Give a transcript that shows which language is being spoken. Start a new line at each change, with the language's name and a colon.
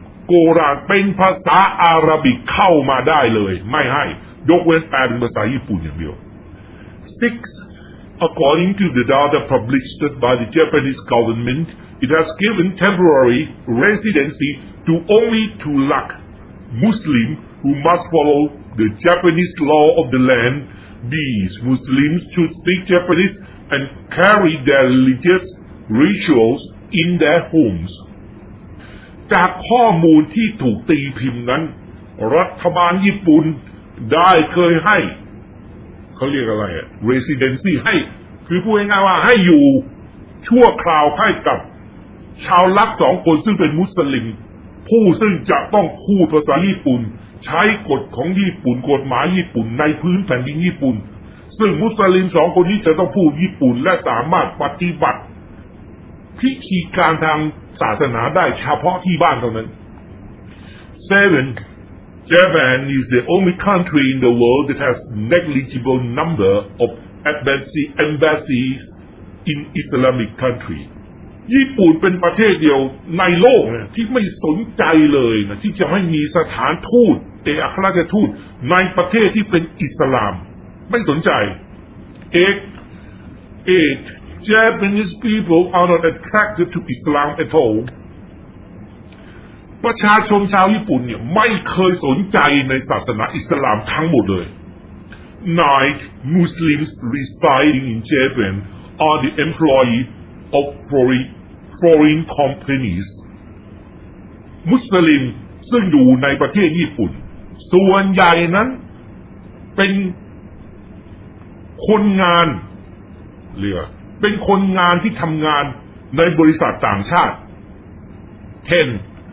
Thai: กุรอานเป็นภาษาอาหรับเข้ามาได้เลยไม่ให้ยกเว้นแปลเป็นภาษาญี่ปุ่นอย่างเดียว 6.
English: According to the data published by the Japanese government, it has given temporary residency to only 2 lakh Muslims who must follow the Japanese law of the land. These Muslims should speak Japanese and carry their religious rituals in their homes
Thai: จากข้อมูลที่ถูกตีพิมพ์นั้นรัฐบาลญี่ปุ่นได้เคยให้เขาเรียกอะไรอ่ะ residency ให้คือพูดง่ายๆว่าให้อยู่ชั่วคราวให้กับ ชาวลักสองคนซึ่งเป็นมุสลิมผู้ซึ่งจะต้องพูดภาษาญี่ปุ่นใช้กฎของญี่ปุ่นกฎหมายญี่ปุ่นในพื้นแผ่นดินญี่ปุ่นซึ่งมุสลิมสองคนนี้จะต้องพูดญี่ปุ่นและสามารถปฏิบัติพิธีการทางศาสนาได้เฉพาะที่บ้านเท่านั้น 7.
English: Japan is the only country in the world that has negligible number of embassies in Islamic country.
Thai: ญี่ปุ่นเป็นประเทศเดียวในโลกที่ไม่สนใจเลยนะที่จะให้มีสถานทูตเอกอัครราชทูตในประเทศที่เป็นอิสลามไม่สนใจ 8.
English: Japanese people are not attracted to Islam at all.
Thai: ประชาชนชาวญี่ปุ่นเนี่ยไม่เคยสนใจในศาสนาอิสลามทั้งหมดเลย 9.
English: Muslims residing in Japan are the employees of foreign companies.
Thai: มุสลิมซึ่งอยู่ในประเทศญี่ปุ่นส่วนใหญ่นั้นเป็นคนงานเรียกเป็นคนงานที่ทำงานในบริษัทต่างชาติ 10.